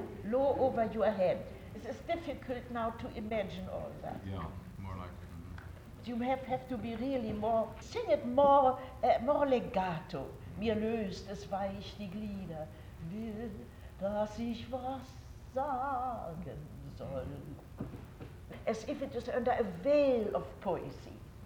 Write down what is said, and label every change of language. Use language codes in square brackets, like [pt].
[en] Low over your head. It is difficult now to imagine all that. Yeah, more like it. Mm-hmm. You have to be really more, sing it more, more legato. [de] Mir löst es weich die Glieder, will, dass ich was sagen soll. [en] As if it is under a veil of poesy.